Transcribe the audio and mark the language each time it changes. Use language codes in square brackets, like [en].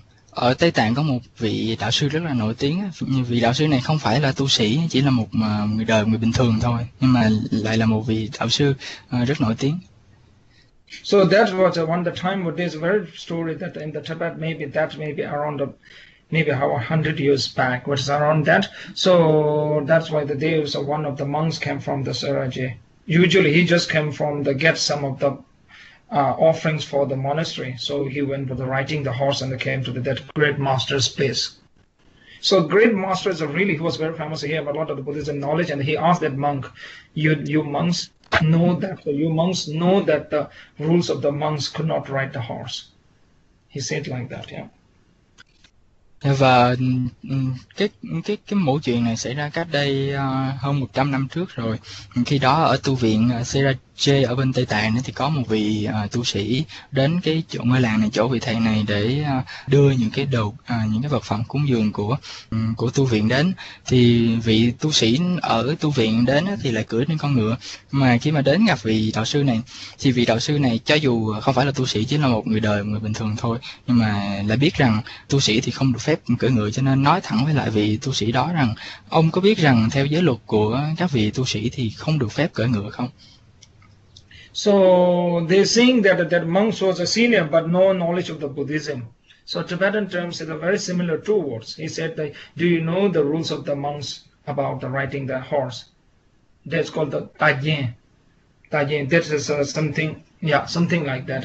[vi] Ở Tây Tạng có một vị đạo sư rất là nổi tiếng. Vị đạo sư này không phải là tu sĩ, chỉ là một người đời, người bình thường thôi, nhưng mà lại là một vị đạo sư rất nổi tiếng. [en] So that was one the time of this very story that in the Tibet, maybe that may be around the maybe how 100 years back, which is around that. So that's why the day was one of the monks came from the Suraji. Usually he just came from the get some of the offerings for the monastery. So he went with the riding the horse and came to that great master's place. So great masters are really, he was very famous. He had a lot of the Buddhism knowledge, and he asked that monk, you monks know that, you monks know that the rules of the monks could not ride the horse. He said like that, yeah. [vi] Và cái mẩu chuyện này xảy ra cách đây hơn 100 năm trước rồi. Khi đó ở tu viện Seraje ở bên Tây Tạng thì có một vị tu sĩ đến cái chỗ ngôi làng này, chỗ vị thầy này, để đưa những cái đồ những cái vật phẩm cúng dường của tu viện đến. Thì vị tu sĩ ở tu viện đến thì lại cưỡi lên con ngựa. Mà khi mà đến gặp vị đạo sư này, thì vị đạo sư này cho dù không phải là tu sĩ, chỉ là một người đời, một người bình thường thôi, nhưng mà lại biết rằng tu sĩ thì không được phép cưỡi ngựa, cho nên nói thẳng với lại vị tu sĩ đó rằng: ông có biết rằng theo giới luật của các vị tu sĩ thì không được phép cưỡi ngựa không? [en] So they're saying that monks was a senior but no knowledge of the Buddhism. So Tibetan terms is a very similar two words. He said that, do you know the rules of the monks about the riding the horse? That's called the tajien. Tajien, that is something like that.